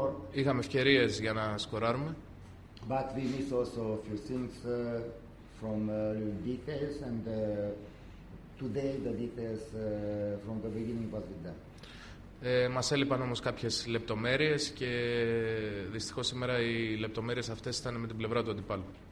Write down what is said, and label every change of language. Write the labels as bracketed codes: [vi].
[el] Είχαμε ευκαιρίες για να σκοράρουμε. [en] But we miss also a few things from details and today the details from the beginning was with them. [el] Μας έλειπαν όμως κάποιες λεπτομέρειες και δυστυχώς σήμερα οι λεπτομέρειες αυτές ήταν με την πλευρά του αντιπάλου.